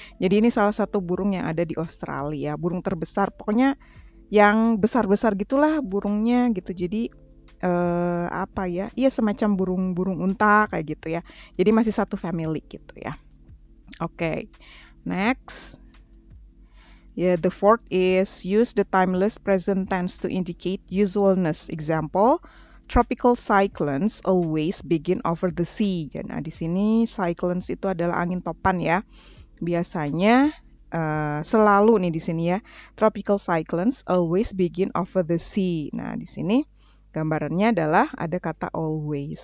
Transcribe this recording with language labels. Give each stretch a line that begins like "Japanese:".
Indonesian: Jadi ini salah satu burung yang ada di Australia, burung terbesar, pokoknya yang besar-besar gitulah burungnya gitu. Jadi apa ya? Iya, semacam burung-burung unta kayak gitu ya. Jadi masih satu family gitu ya.
English: Oke. Next. Yeah, the fourth is use the timeless present tense to indicate usualness. Example, tropical cyclones always begin over the sea.
Indonesian: Ya, nah, di sini cyclones itu adalah angin topan ya. Biasanya selalu nih di sini ya.
English: Tropical cyclones always begin over the sea.
Indonesian: Nah, di sini gambarannya adalah ada kata
English: always.